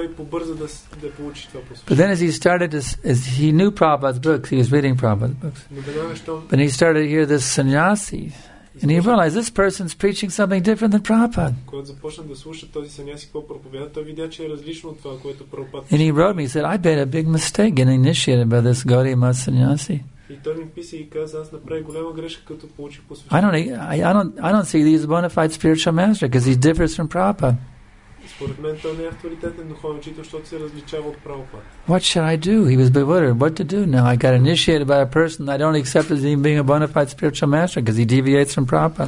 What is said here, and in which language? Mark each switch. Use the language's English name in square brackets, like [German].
[English] But then as he knew Prabhupada's books, he was reading Prabhupada's books. But he started to hear this sannyasi, and he realized this person's preaching something different than Prabhupada. And he wrote me, he said, I made a big mistake getting initiated by this Gaudiya Math sannyasi. [Bulgarian] И той ми писа и каза, аз направих голяма грешка, като получих посвещение. [English] I don't see he's a bona fide spiritual master because he differs from Prabhupada. [Bulgarian] Според мен той не е авторитетен духовен учител, защото се различава от Прабхупада. [English] What should I do? He was bewildered. What to do now? I got initiated by a person that I don't accept as him being a bona fide spiritual master because he deviates from Prabhupada.